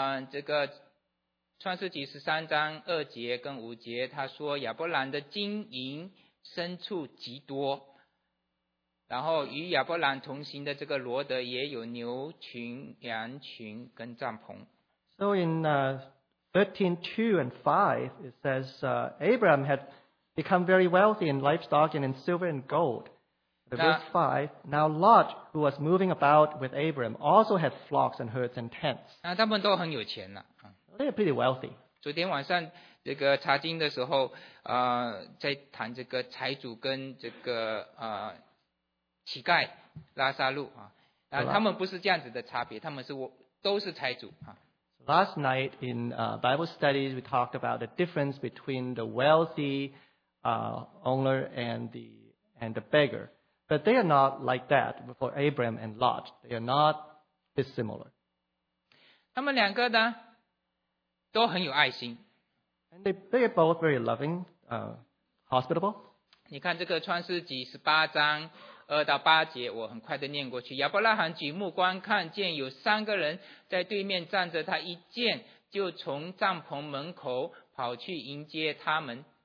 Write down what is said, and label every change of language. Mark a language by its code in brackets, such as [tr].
[zh] 这个创世纪十三章二节跟五节，他说亚伯兰的金银牲畜极多，然后与亚伯兰同行的这个罗德也有牛群、羊群跟帐篷。 [en] So in 13:2-5, it says Abraham had become very wealthy in livestock and in silver and gold. Verse 5, now Lot, who was moving about with Abram, also had flocks and herds and tents. [zh] 那他们都很有钱了。 [en] They are pretty wealthy. [zh] 昨天晚上这个查经的时候，在谈这个财主跟这个乞丐拉撒路啊，那他们不是这样子的差别，他们是都是财主啊。 [en] So、last night in Bible studies, we talked about the difference between the wealthy owner and the beggar. But they are not like that for Abram and Lot. They are not dissimilar. [zh] 他们两个呢，都很有爱心。 [en] And they are both very loving, hospitable. [zh] 你看这个创世纪十八章二到八节，我很快的念过去。亚伯拉罕举目观看，见有三个人在对面站着，他一见就从帐篷门口跑去迎接他们。